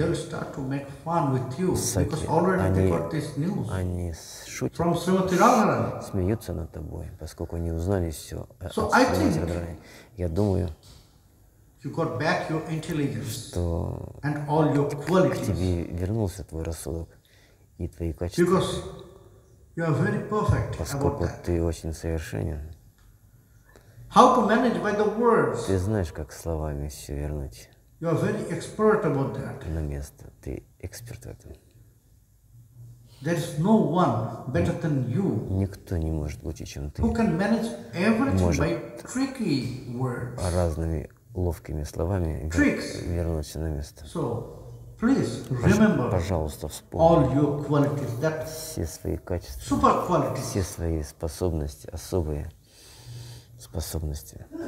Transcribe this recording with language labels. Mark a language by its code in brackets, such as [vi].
[en] They will start to make fun with you саки. Because already [ru] они, [en] they got this news. [ru] Они шутят. [en] From Srimati Radharani. [ru] Смеются над тобой, поскольку они узнали все. [en] So [ru] о, [en] I think. [ru] Я думаю. [en] You got back your intelligence. [ru] Что. [en] And all your qualities. [ru] К тебе вернулся твой рассудок. И твои качества. [en] Because you are very perfect. [ru] Поскольку [en] about [ru] ты очень совершенен. [en] How to manage by the words? [ru] Ты знаешь, как словами все вернуть. [en] You are very expert about that. [ru] На место. Ты эксперт в этом. [en] There is no one better than you. [ru] Никто не может лучше, чем ты. [en] Who can manage everything [ru] может [en] by tricky words? [ru] Разными ловкими словами [en] tricks. [ru] Вернуться на место. [en] So, please remember [ru] пожалуйста, вспомни [en] all your qualities, that [ru] все свои качества, [en] super qualities. [ru] Все свои способности, особые способности.